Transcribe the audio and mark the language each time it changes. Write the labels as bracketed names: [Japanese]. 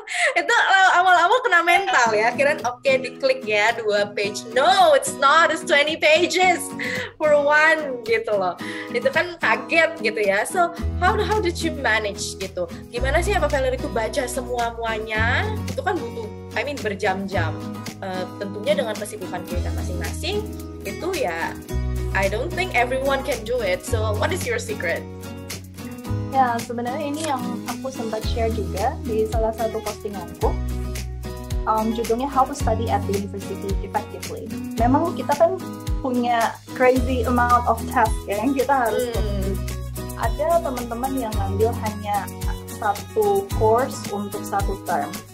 [Indonesian] Itu awal-awal kena mental ya, kira okay, diklik ya 2 page, [English] no it's not, it's 20 pages for one [Indonesian] gitu loh, itu kan kaget gitu ya. [English] So how did you manage [Indonesian] gitu, gimana sih apa Valerie itu baca semua-muanya itu kan butuh, [English] I mean [Indonesian] berjam-jam, tentunya dengan kesibukan kita masing-masing itu ya. [English] I don't think everyone can do it, so what is your secret? [Indonesian] Ya, sebenarnya ini yang aku sempat share juga di salah satu postinganku. Judulnya How to Study at the University Effectively. Memang kita kan punya [English] crazy amount of tasks [Indonesian] ya, yang kita harus ada teman-teman yang ngambil hanya satu course untuk satu term.